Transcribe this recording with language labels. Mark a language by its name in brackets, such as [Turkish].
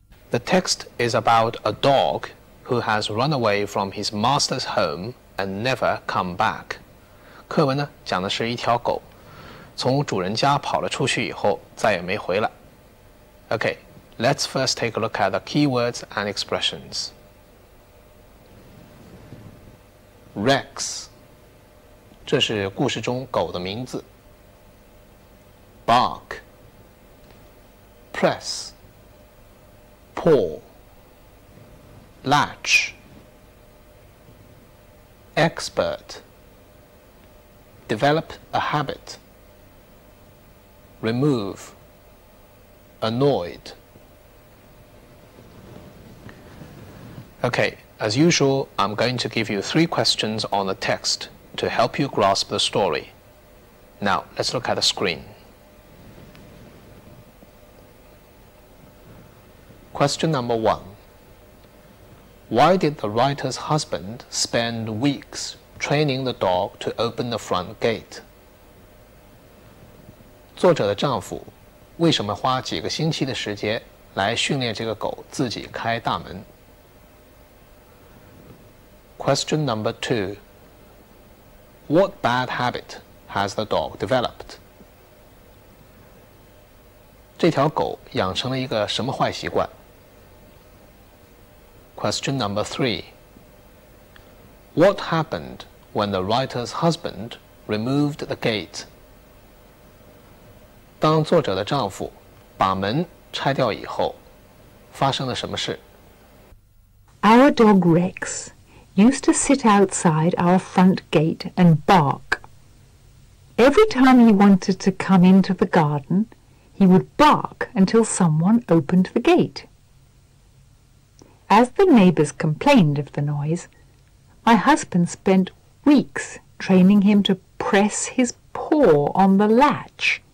[English] The text is about a dog who has run away from his master's home and never come back. [Chinese] 课文呢讲的是一条狗从主人家跑了出去以后再也没回来。 [English] Okay, let's first take a look at the keywords and expressions. [Chinese] Rex, 这是故事中狗的名字。 [English] Bark, press, pull, latch, expert, develop a habit, remove,Annoyed. Okay, as usual, I'm going to give you 3 questions on the text to help you grasp the story. Now, let's look at the screen. Question number 1. Why did the writer's husband spend weeks training the dog to open the front gate? [Chinese] 作者的丈夫为什么花几个星期的时间来训练这个狗自己开大门？ [English] Question number 2. What bad habit has the dog developed? [Chinese] 这条狗养成了一个什么坏习惯？ [English] Question number 3. What happened when the writer's husband removed the gate? [Chinese] 当作者的丈夫把门拆掉以后发生了什么事？ [English] Our dog Rex used to sit outside our front gate and bark. Every time he wanted to come into the garden, he would bark until someone opened the gate. As the neighbors complained of the noise, my husband spent weeks training him to press his paw on the latch.